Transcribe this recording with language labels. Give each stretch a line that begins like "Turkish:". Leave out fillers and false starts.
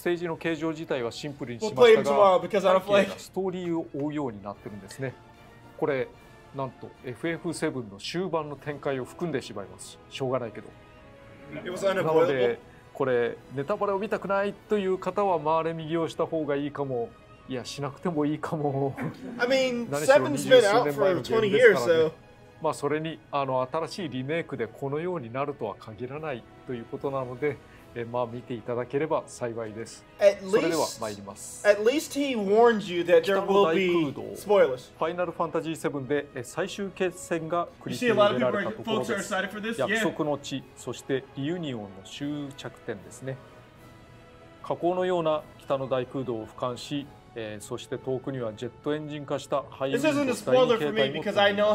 Japanese: ステージの形状自体はシンプルにしましたが、アーケードがストーリーを追うようになってるんですね。これなんと FF7 の終盤の展開を含んでしまいます。しょうがないけど。なのでこれネタバレを見たくないという方は回れ右をした方がいいかも。いや、しなくてもいいかも。
English: I mean, Seven's been out for 20 years, so.
Japanese: まあ、それに新しいリメイクでこのようになるとは限らないということなので、まあ見ていただければ幸いです。それでは参ります。
English: At least he warned you that there will be spoilers.
Japanese: ファイナルファンタジー7で最終決戦が繰り広げられたところです。約束の地、そしてリユニオンの終着点ですね。火口のような北の大空洞を俯瞰し、そして遠くにはジェットエンジン化したハイウィンド第2形態も